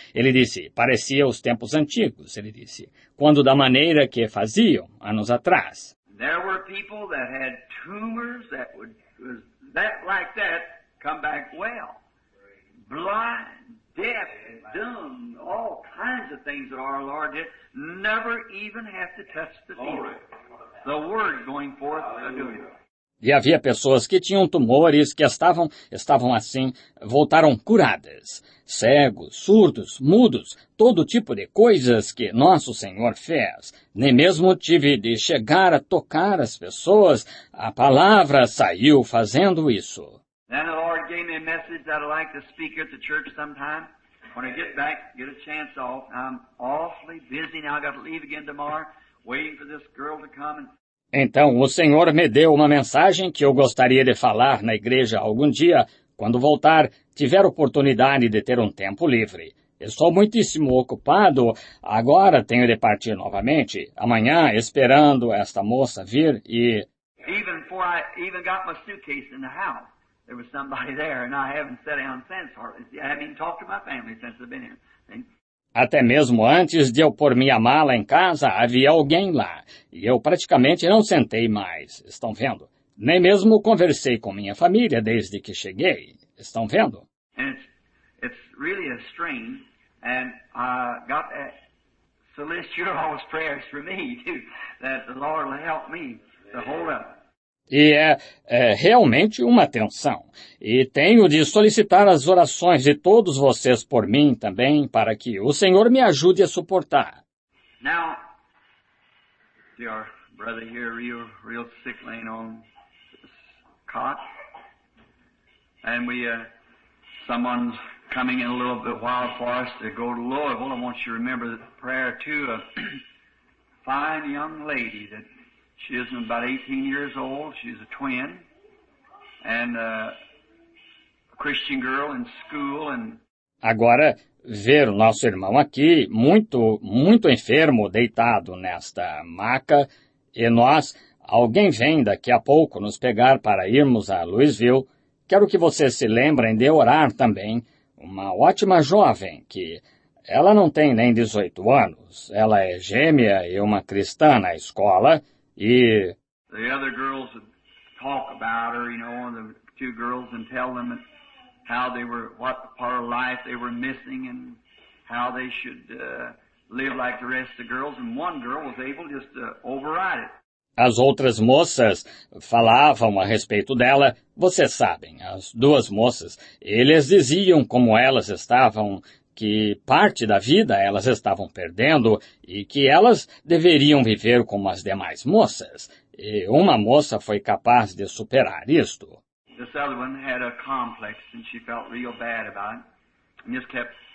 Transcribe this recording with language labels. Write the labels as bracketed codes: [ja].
[pt] Ele disse, parecia os tempos antigos, ele disse, quando da maneira que faziam, anos atrás. [en] There were people that had tumors that would, that like that, come back well. Blind, deaf, dumb, all kinds of things that our Lord did, never even have to touch the people. The word going forth, hallelujah. [pt] E havia pessoas que tinham tumores que estavam assim, voltaram curadas. Cegos, surdos, mudos, todo tipo de coisas que nosso Senhor fez. Nem mesmo tive de chegar a tocar as pessoas, a palavra saiu fazendo isso. [en] Then the Lord gave me a message that I'd like to speak at the church sometime. When I get back, get a chance off. I'm awfully busy now. I've got to leave again tomorrow, waiting for this girl to come and... [pt] Então, o Senhor me deu uma mensagem que eu gostaria de falar na igreja algum dia, quando voltar, tiver oportunidade de ter um tempo livre. Estou muitíssimo ocupado, agora tenho de partir novamente, amanhã, esperando esta moça vir e... [en] Even before I even got my suitcase in the house, there was somebody there, and I haven't sat down since, or I haven't even talked to my family since I've been here. [pt] Até mesmo antes de eu pôr minha mala em casa, havia alguém lá, e eu praticamente não sentei mais, estão vendo? Nem mesmo conversei com minha família desde que cheguei, estão vendo? [en] It's really a strain, and I got that solicitude of all his prayers for me, too, that the Lord will help me to hold up. [pt] E é realmente uma tensão. E tenho de solicitar as orações de todos vocês por mim também, para que o Senhor me ajude a suportar. [en] Now, your brother here real sick laying on this cot. And someone's coming in a little bit while for us to go to Louisville. I want you to remember the prayer too. A fine young lady that... She is about 18 years old. She's a twin and a Christian girl in school. And [pt] agora ver nosso irmão aqui muito muito enfermo deitado nesta maca e nós alguém vem daqui a pouco nos pegar para irmos a Louisville. Quero que vocês se lembrem de orar também uma ótima jovem que ela não tem nem 18 anos. Ela é gêmea e uma cristã na escola. E [en] the other girls would talk about her, you know, the two girls, and tell them how they were, what part of life they were missing, and how they should live like the rest of the girls. And one girl was able just to override it. [pt] As outras moças falavam a respeito dela. Vocês sabem, as duas moças, eles diziam como elas estavam. Que parte da vida elas estavam perdendo e que elas deveriam viver como as demais moças. E uma moça foi capaz de superar isto. [en] This other one had a complex and she felt real bad about it. And just kept